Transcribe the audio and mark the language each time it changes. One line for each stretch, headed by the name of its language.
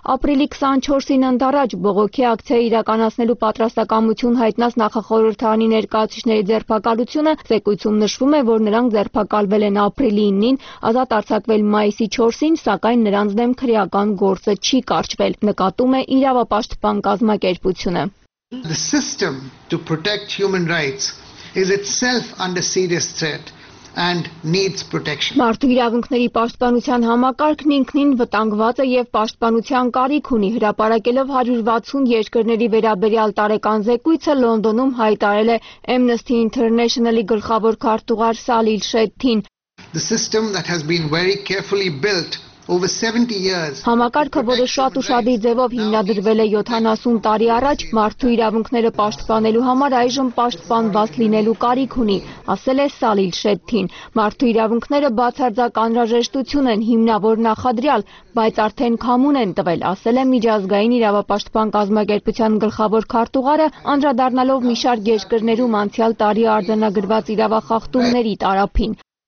Armenian: ապրիլի 24-ին ընդառաջ բողոքի ակցիա իրականացնելու պատրաստակամություն հայտնած նախախորհրդարանի ներկայացուցիչների ձերբակալությունը։ Զեկույցում նշվում է, որ նրանք ձերբակալվել են ապրիլի 9-ին, ազատ արձակվել մայիսի 4-ին, սակայն նրանց դեմ քրեական գործը չի կարճվել, նկատում է իրավապաշտպան կազմակերպությունը։
English: The system to protect human rights is itself under serious threat and needs protection.
Armenian: Մարդու իրավունքների պաշտպանության համակարգն ինքնին վտանգված է եւ պաշտպանության կարիք ունի, հրապարակելով 160 երկրների վերաբերյալ տարեկան զեկույցը Լոնդոնում հայտարել է Amnesty International-ի գլխավոր քարտուղար Սալիլ Շեթթին.
English: The system that has been very carefully built over 70 years.
Armenian: Համակարգը, որը շատ ուշադրի ձևով հիմնադրվել է 70 տարի առաջ, մարդու իրավունքները պաշտպանելու համար այժմ պաշտպանված լինելու կարիք ունի, ասել է Սալիլ Շեթթին. Մարդու իրավունքները բացարձակ անհրաժեշտություն են հիմնավոր նախադրյալ, բայց արդեն քամուն են տվել, ասել է միջազգային իրավապաշտպան կազմակերպության գլխավոր քարտուղարը, անդրադառնալով մի շարք երկրներում անցյալ տարի արձանագրված իրավախախտումների տարափին։